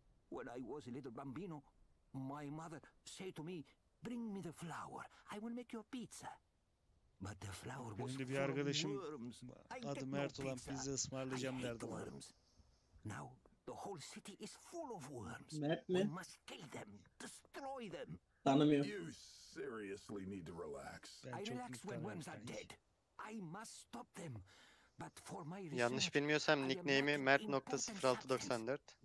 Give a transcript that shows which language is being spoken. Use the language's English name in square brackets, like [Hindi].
[English] When I was a little bambino, my mother said to me, "Bring me the flour. I will make you a pizza." But the flour was full of worms. [Turkish] Adı Mert olan pizza ısmarlayacağım derdim. [English] Worms. Now the whole city is full of worms. [Turkish] Mert mi? [English] We must kill them, destroy them. [Turkish] Tanımıyorum. [English] You seriously need to relax. I relax when worms are dead. I must stop them. But for my research, [Turkish] yanlış bilmiyorsam nickname'i Mert.0694.